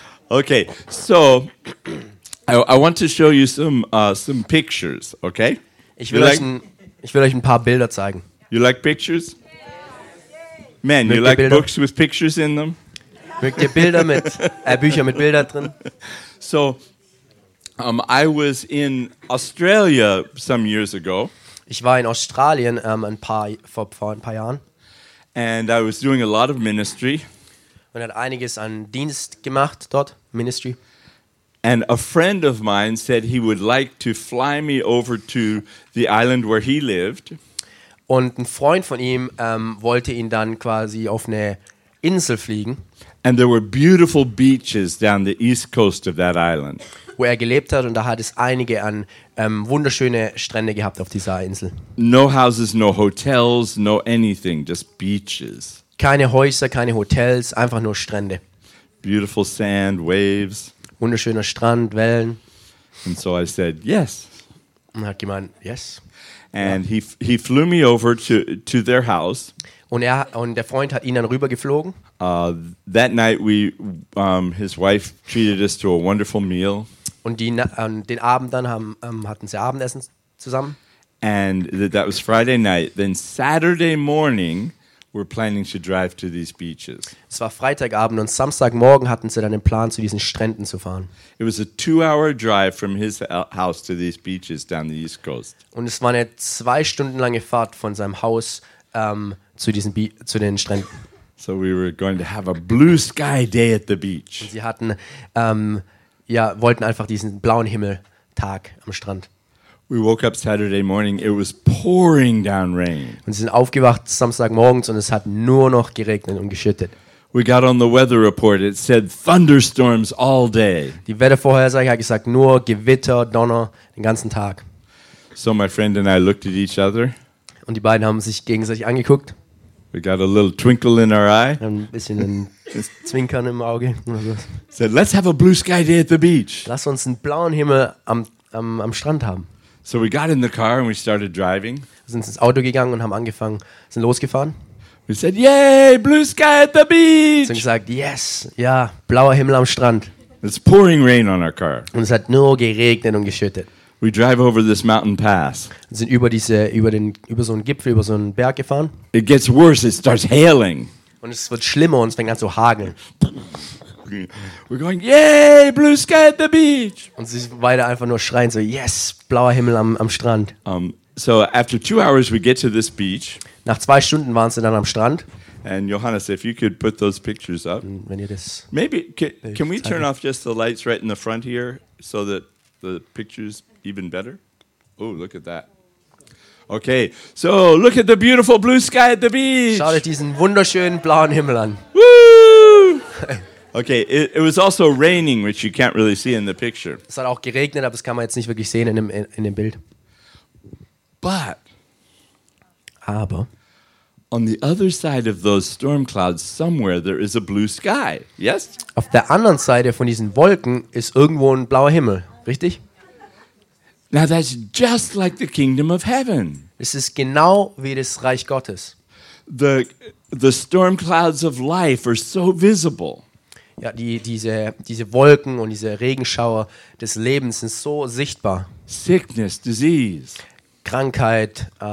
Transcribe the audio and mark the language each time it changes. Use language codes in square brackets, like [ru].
[en] Okay, so I want to show you some pictures, okay? [de] Ich will euch ein paar Bilder zeigen. [en] You like pictures? Man, you like books with pictures in them? [de] Mögt ihr Bilder mit Bücher mit Bildern drin? [en] So I was in Australia some years ago. [de] Ich war in Australien vor ein paar Jahren. [en] And I was doing a lot of ministry. [de] Und hat einiges an Dienst gemacht dort, Ministry. [en] And a friend of mine said he would like to fly me over to the island where he lived. [de] Und ein Freund von ihm wollte ihn dann quasi auf eine Insel fliegen. [en] And there were beautiful beaches down the east coast of that island. [de] Wo er gelebt hat, und da hat es einige an wunderschöne Strände gehabt auf dieser Insel. [en] No houses, no hotels, no anything, just beaches. [de] Keine Häuser, keine Hotels, einfach nur Strände. [en] Beautiful sand, waves. [de] Wunderschöner Strand, Wellen. [en] And so I said, yes. [de] Und hat gemeint, yes. [en] And [de] ja. [en] he flew me over to their house. [de] Und der Freund hat ihn dann rüber geflogen. [en] That night his wife treated us to a wonderful meal. [de] Und den Abend dann hatten sie Abendessen zusammen. [en] And that was Friday night. Then Saturday morning, we're planning to drive to these beaches. [de] Es war Freitagabend, und Samstagmorgen hatten sie dann den Plan, zu diesen Stränden zu fahren. [en] It was a 2-hour drive from his house to these beaches down the east coast. [de] Und es war eine 2-stunden-lange Fahrt von seinem Haus zu den Stränden. [en] So we were going to have a blue sky day at the beach. [de] Und sie hatten wollten einfach diesen blauen Himmeltag am Strand. [en] We woke up Saturday morning, it was pouring down rain. [de] Und sie sind aufgewacht Samstagmorgens, und es hat nur noch geregnet und geschüttet. [en] We got on the weather report, it said thunderstorms all day. [de] Die Wettervorhersage hat gesagt, nur Gewitter, Donner den ganzen Tag. [en] So my friend and I looked at each other. [de] Und die beiden haben sich gegenseitig angeguckt. [en] We got a little twinkle in our eye. [de] Ein bisschen ein Zwinkern im Auge. [en] Said, let's have a blue sky day at the beach. [de] Lass uns einen blauen Himmel am Strand haben. [en] So we got in the car and we started driving. [de] Wir sind ins Auto gegangen und haben angefangen, sind losgefahren. [en] We said, yay, blue sky at the beach. [de] Und gesagt, yes, ja, blauer Himmel am Strand. [en] It's pouring rain on our car. [de] Und es hat nur geregnet und geschüttet. [en] We drive over this mountain pass. [de] Wir sind über so einen Gipfel, über so einen Berg gefahren. [en] It gets worse, it starts hailing. [de] Und es wird schlimmer und es fängt an zu hageln. [en] We're going, yay, blue sky at the beach. [de] Und sie weiter einfach nur schreien so, yes, blauer Himmel am Strand. [en] So after 2 hours we get to this beach. [de] Nach 2 Stunden waren sie dann am Strand. [en] And Johannes, if you could put those pictures up. [de] Wenn ihr das [en] maybe can we turn off just the lights right in the front here so that the pictures even better? Oh, look at that. Okay, so look at the beautiful blue sky at the beach. [de] Schaut euch diesen wunderschönen blauen Himmel an. Woo! [en] Okay, it was also raining, which you can't really see in the picture. [de] Es hat auch geregnet, aber das kann man jetzt nicht wirklich sehen in dem Bild. Aber [en] on the other side of those storm clouds somewhere there is a blue sky. Yes? [de] Auf der anderen Seite von diesen Wolken ist irgendwo ein blauer Himmel, richtig? [en] Now that's just like the kingdom of heaven. [de] Es ist genau wie das Reich Gottes. [en] The storm clouds of life are so visible. [de] ja, diese Wolken und diese Regenschauer des Lebens sind so sichtbar. [en] Sickness, disease. [de] Krankheit.